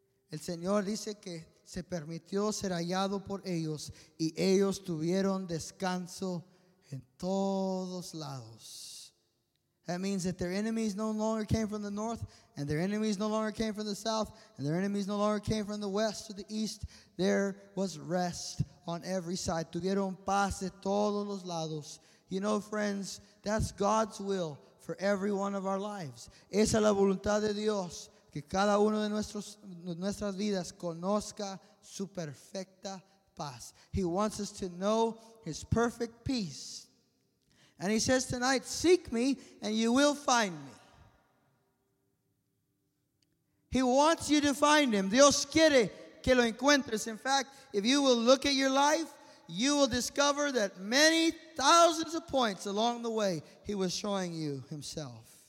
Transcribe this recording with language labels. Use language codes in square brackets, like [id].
[es] El Señor dice que se permitió ser hallado por ellos y ellos tuvieron descanso en todos lados. [en] That means that their enemies no longer came from the north, and their enemies no longer came from the south, and their enemies no longer came from the west or the east. There was rest on every side. [es] Tuvieron paz de todos los lados. [en] You know, friends, that's God's will for every one of our lives. [es] Esa es la voluntad de Dios, que cada uno de nuestras vidas conozca su perfecta paz. [en] He wants us to know his perfect peace. And he says tonight, seek me and you will find me. He wants you to find him. [es] Dios quiere que lo encuentres. [en] In fact, if you will look at your life, you will discover that many thousands of points along the way, he was showing you himself.